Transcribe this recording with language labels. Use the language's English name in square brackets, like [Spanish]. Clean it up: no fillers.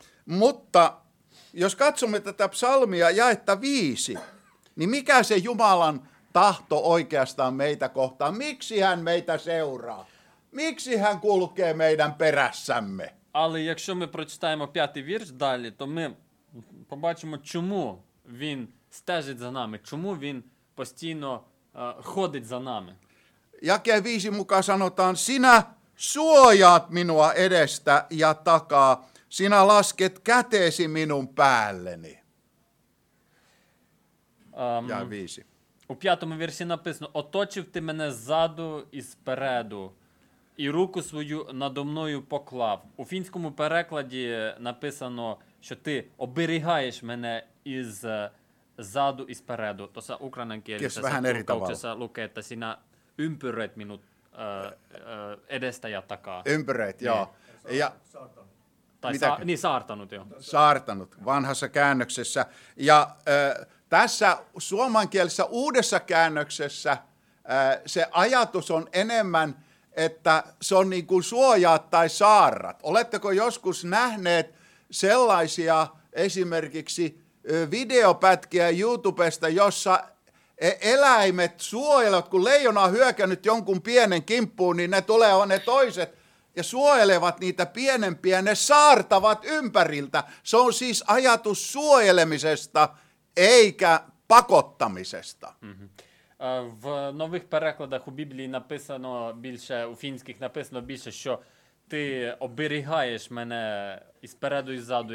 [Finnish] Mutta jos katsomme tätä psalmia jaetta 5, niin mikä se Jumalan tahto oikeastaan meitä kohtaan? Miksi hän meitä seuraa? Miksi hän kulkee meidän perässämme? [Ukrainian] Але якщо ми прочитаємо п'ятий вірш далі, то ми побачимо, чому він стежить за нами, чому він постійно ходить за нами. [Finnish] Jakeen 5 mukaan sanotaan, sinä suojaat minua edestä ja takaa, sinä lasket käteesi minun päälleni. Ja 5. [Ukrainian] У п'ятому вірші написано, оточив ти мене ззаду і спереду. І руку свою надо мною поклав. У фінському перекладі написано, що ти оберігаєш мене із заду і спереду. То са українська [Finnish] лукета сина ympyröit minut edestä ja takaa. Ympyröit, joo. Ja saartanut jo. Saartanut vanhassa käännöksessä ja tässä suomenkielisessä uudessa käännöksessä se ajatus on enemmän, että se on niin kuin suojaat tai saarrat. Oletteko joskus nähneet sellaisia esimerkiksi videopätkiä YouTubesta, jossa eläimet suojelevat, kun leijona on hyökännyt jonkun pienen kimppuun, niin ne tulevat ne toiset ja suojelevat niitä pienempiä, ne saartavat ympäriltä. Se on siis ajatus suojelemisesta eikä pakottamisesta. Mm-hmm. [Ukrainian] В нових перекладах у Біблії написано більше, у фінських написано більше, що ти оберігаєш мене і спереду, і ззаду.